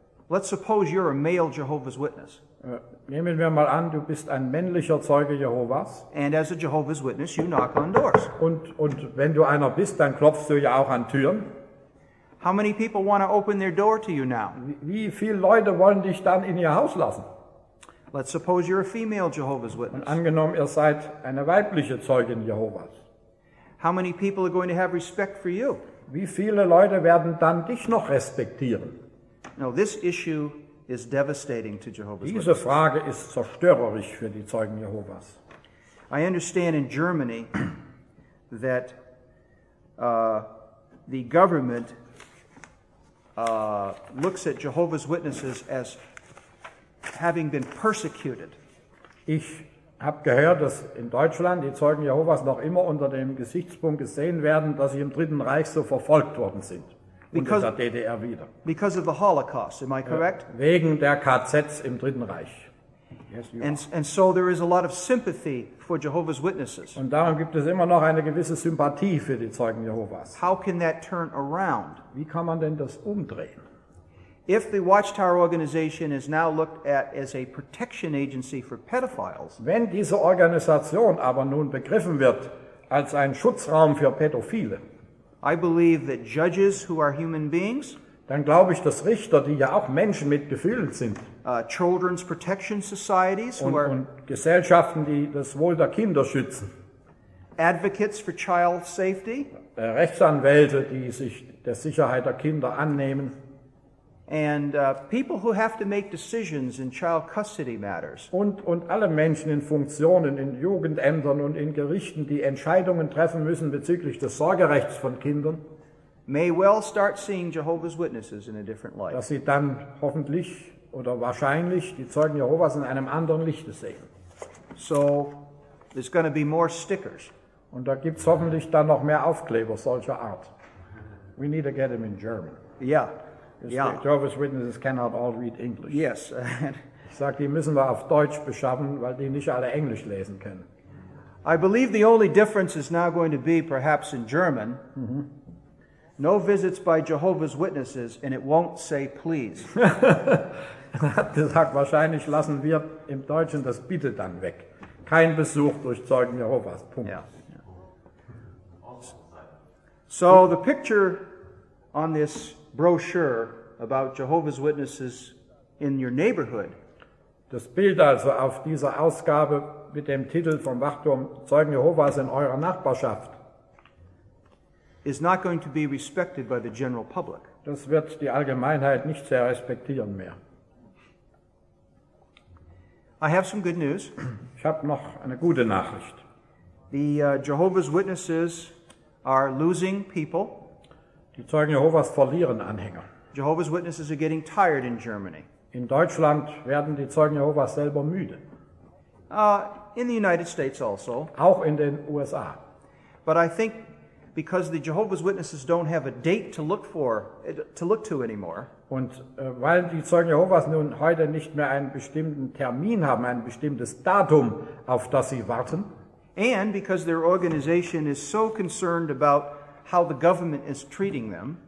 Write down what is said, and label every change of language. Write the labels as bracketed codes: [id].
[en] Let's suppose you're a male Jehovah's Witness. [de] Nehmen wir mal an, du bist ein männlicher Zeuge Jehovas. [en] And as a Jehovah's Witness, you knock on doors. [de] Und wenn du einer bist, dann klopfst du ja auch an Türen. [en] How many people want to open their door to you now? [de] Wie viele Leute wollen dich dann in ihr Haus lassen? [en] Let's suppose you're a female Jehovah's Witness. [de] Und angenommen, ihr seid eine weibliche Zeugin Jehovas. [en] How many people are going to have respect for you? [de] Wie viele Leute werden dann dich noch respektieren? [en] No, this issue is devastating to Jehovah's Witnesses. [de] Diese Frage ist zerstörerisch für die Zeugen Jehovas. [en] I understand in Germany that the government looks at Jehovah's Witnesses as having been persecuted. [de] Ich habe gehört, dass in Deutschland die Zeugen Jehovas noch immer unter dem Gesichtspunkt gesehen werden, dass sie im Dritten Reich so verfolgt worden sind. [en] Because, [de] und in der DDR wieder. [en] Because of the Holocaust, am I correct? [de] Wegen der KZs im Dritten Reich. [en] Yes, you are. And so there is a lot of sympathy for Jehovah's Witnesses. [de] Und darum gibt es immer noch eine gewisse Sympathie für die Zeugen Jehovas. [en] How can that turn around? [de] Wie kann man denn das umdrehen? [en] If the Watchtower organization is now looked at as a protection agency for pedophiles. [de] Wenn diese Organisation aber nun begriffen wird als ein Schutzraum für Pädophile. [en] I believe that judges who are human beings. [de] Dann glaube ich, dass Richter, die ja auch Menschen mit Gefühlen sind. [en] Children's protection societies who are. [de] Und Gesellschaften, die das Wohl der Kinder schützen. [en] Advocates for child safety. [de] Rechtsanwälte, die sich der Sicherheit der Kinder annehmen. [en] And people who have to make decisions in child custody matters. [de] Und alle Menschen in Funktionen, in Jugendämtern und in Gerichten, die Entscheidungen treffen müssen bezüglich des Sorgerechts von Kindern, [en] may well start seeing Jehovah's Witnesses in a different light. [de] Dass sie dann hoffentlich oder wahrscheinlich die Zeugen Jehovas in einem anderen Lichte sehen. [en] So, there's going to be more stickers. [de] Und da gibt's hoffentlich dann noch mehr Aufkleber solcher Art. [en] We need to get them in German. Yeah. Yeah. Jehovah's Witnesses cannot all read English. Yes. [de] Ich sag, die müssen wir auf Deutsch beschaffen, weil die nicht alle Englisch lesen können. [en] I believe the only difference is now going to be perhaps in German. Mm-hmm. No visits by Jehovah's Witnesses and it won't say please. [de] Er hat gesagt, wahrscheinlich lassen wir im Deutschen das Bitte dann weg. Kein Besuch durch Zeugen Jehovas. Punkt. [en] Yeah. So the picture on this brochure about Jehovah's Witnesses in your neighborhood. [de] Das Bild also auf dieser Ausgabe mit dem Titel vom Wachturm Zeugen Jehovas in eurer Nachbarschaft [en] is not going to be respected by the general public. [de] Das wird die Allgemeinheit nicht sehr respektieren mehr. [en] I have some good news. [de] Ich habe noch eine gute Nachricht. [en] The Jehovah's Witnesses are losing people. [de] Die Zeugen Jehovas verlieren Anhänger. [en] Jehovah's Witnesses are getting tired in Germany. [de] In Deutschland werden die Zeugen Jehovas selber müde. [en] In the United States also. [de] Auch in den USA. [en] But I think because the Jehovah's Witnesses don't have a date to look for, to look to anymore. [de] Und weil die Zeugen Jehovas nun heute nicht mehr einen bestimmten Termin haben, ein bestimmtes Datum, auf das sie warten. [en] And because their organization is so concerned about how the government is treating them.